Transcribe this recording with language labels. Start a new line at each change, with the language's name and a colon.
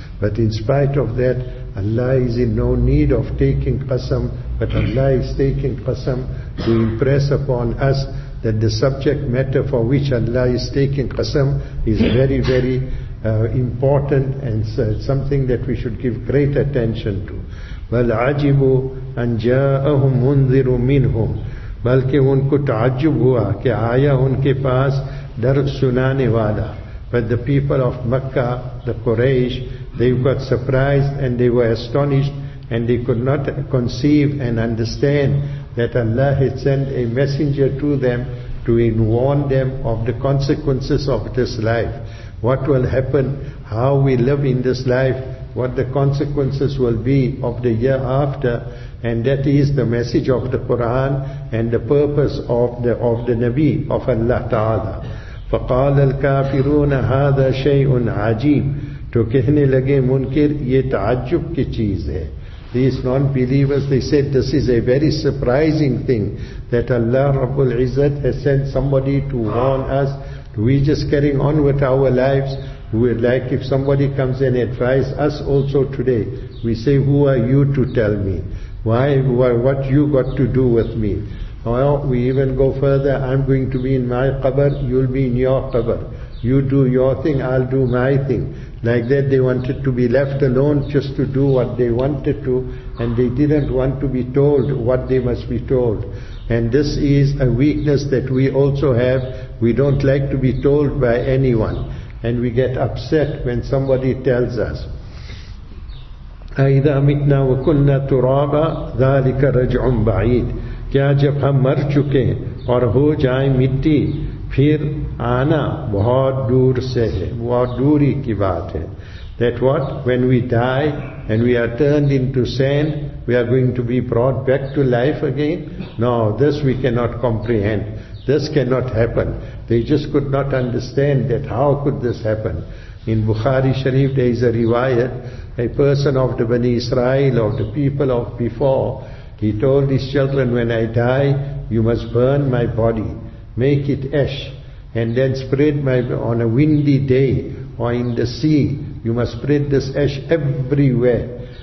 English: But in spite of that, Allah is in no need of taking qasam, but Allah is taking qasam to impress upon us that the subject matter for which Allah is taking qasam is very, very important, and something that we should give great attention to.
Arabic: وَالْعَجِبُوا أَنْ جَاءَهُمْ مُنْذِرٌ مِّنْهُمْ
Urdu: بلکہ ان کو تعجب ہوا کہ آیا ان کے پاس درد سنانے والا.
English: But the people of Makkah, the Quraysh, they got surprised and they were astonished, and they could not conceive and understand that Allah had sent a messenger to them to warn them of the consequences of this life. What will happen, how we live in this life, what the consequences will be of the year after. And that is the message of the Quran and the purpose of the Nabi of Allah Ta'ala.
Arabic: فَقَالَ الْكَافِرُونَ هَذَا شَيْءٌ عَجِيبٌ.
Urdu: تو کہنے لگے منکر یہ تعجب کی چیز ہے.
English: These non-believers, they said, this is a very surprising thing that Allah Rabbul Izzat has sent somebody to warn us. We just carrying on with our lives. We're like, if somebody comes and advise us also today, we say, who are you to tell me? Why, what you got to do with me? Well, we even go further, I'm going to be in my qabr, you'll be in your qabr. You do your thing, I'll do my thing. Like that, they wanted to be left alone just to do what they wanted to, and they didn't want to be told what they must be told. And this is a weakness that we also have. We don't like to be told by anyone, and we get upset when somebody tells us.
Arabic: أَإِذَا مِتْنَا وَكُنَّا تُرَابًا ذَلِكَ رَجْعٌ بَعِيدٌ.
Urdu: کیا جب ہم مر چکے اور ہو جائیں مٹی پھر آنا بہت دور سے ہے. بہت دوری کی بات ہے.
English: That what? When we die and we are turned into sand, we are going to be brought back to life again? No, this we cannot comprehend. This cannot happen. They just could not understand that how could this happen. In Bukhari Sharif there is a riwayat, a person of the Bani Israel, of the people of before, he told his children, when I die, you must burn my body, make it ash, and then spread my on a windy day or in the sea, you must spread this ash everywhere.